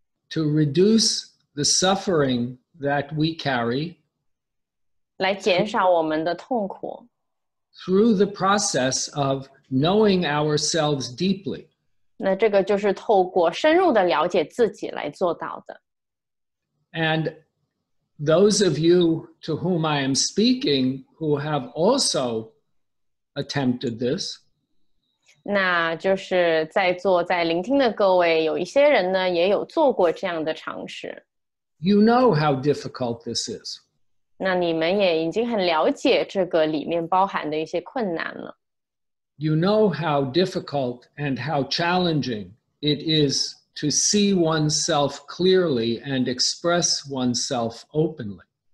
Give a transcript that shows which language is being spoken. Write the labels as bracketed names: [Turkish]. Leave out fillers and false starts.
[English] To reduce the suffering that we carry. [Chinese] 来减少我们的痛苦。 [English] Through the process of knowing ourselves deeply. [Chinese] 那这个就是透过深入的了解自己来做到的。 [English] And those of you to whom I am speaking who have also attempted this. [Chinese] 那就是在座在聆听的各位，有一些人呢也有做过这样的尝试。 [English] You know how difficult this is. [Chinese] 那你们也已经很了解这个里面包含的一些困难了。 [English] You know how difficult and how challenging it is to see oneself clearly and express oneself openly.